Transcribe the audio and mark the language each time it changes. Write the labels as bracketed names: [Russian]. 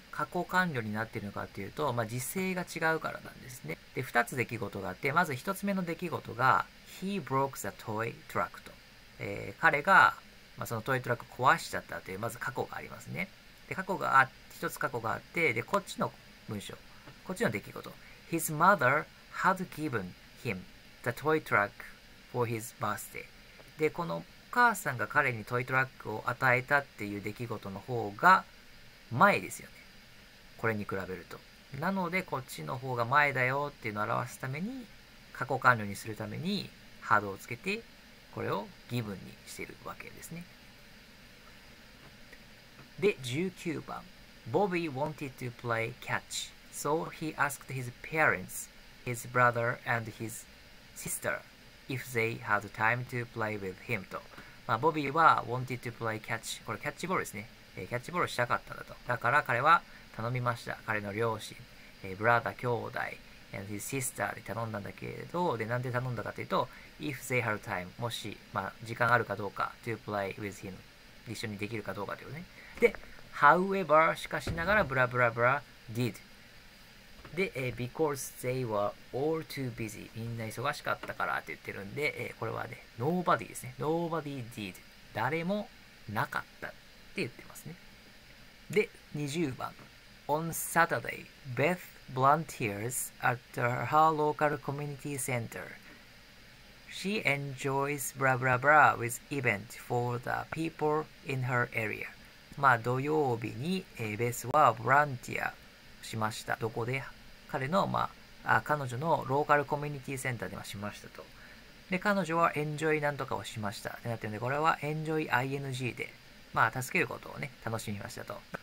[Japanese] 過去完了になっているのかっていうと、まあ、時制が違うからなんですね。で、2つ出来事があって、まず1つ目の出来事が、 [English] he broke the toy truck [Japanese] と。彼が、まあ、そのトイトラック壊しちゃったという、まず過去がありますね。で、過去があって、1つ過去があって、で、こっちの文章。こっちの出来事。 [English] his mother had given him the toy truck。 for his birthday。 [Japanese] で、このお母さんが彼にトイトラックを与えたっていう出来事の方が前ですよね。これに比べると。なので、こっちの方が前だよっていうのを表すために、過去完了にするために、ハードをつけて、これを given にしているわけですね。で、19番。 [English] Bobby wanted to play catch, so he asked his parents, his brother and his sister, If they had time to play with him と。 [Japanese] まあ、ボビーは [English] wanted to play catch。 [Japanese] これキャッチボールですね。キャッチボールしたかったんだと。だから彼は頼みました。彼の両親、brother 兄弟、and his sister で頼んだんだけれど、で、なんで頼んだかというと、 [English] if they had time、 [Japanese] もし、まあ、時間あるかどうか、 [English] to play with him、 [Japanese] 一緒にできるかどうかというね。で、however、しかしながら、ブラブラブラ、did。 [English] で、because they were all too busy。 [Japanese] みんな忙しかったからって言ってるんで、これはね、nobody ですね。 [English] nobody did。 [Japanese] 誰もなかったって言ってますね。 [English] で、20番。On Saturday, Beth volunteers at her local community center. She enjoys blah blah blah with event for the people in her area。 [Japanese] まあ、土曜日に、ベスはボランティアしました。どこで？彼の、まあ、彼女のローカルコミュニティセンターではしましたと。で、彼女はエンジョイなんとかをしましたってなってるんで、これはエンジョイ ING で、まあ、助けることをね、楽しみましたと。